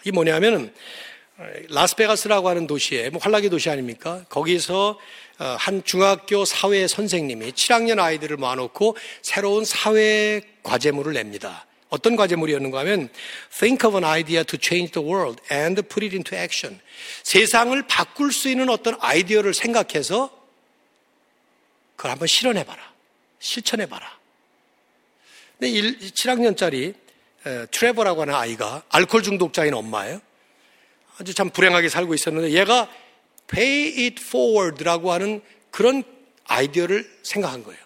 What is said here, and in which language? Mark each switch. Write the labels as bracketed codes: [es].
[ko] 이게 뭐냐면은 라스베가스라고 하는 도시에 뭐 활락의 도시 아닙니까? 거기서 한 중학교 사회 선생님이 7학년 아이들을 모아놓고 새로운 사회 과제물을 냅니다. 어떤 과제물이었는가 하면 [en] Think of an idea to change the world and put it into action. [ko] 세상을 바꿀 수 있는 어떤 아이디어를 생각해서 그걸 한번 실현해봐라. 실천해봐라. 근데 7학년짜리 트레버라고 하는 아이가 알코올 중독자인 엄마예요. 아주 참 불행하게 살고 있었는데 얘가 Pay It Forward라고 하는 그런 아이디어를 생각한 거예요.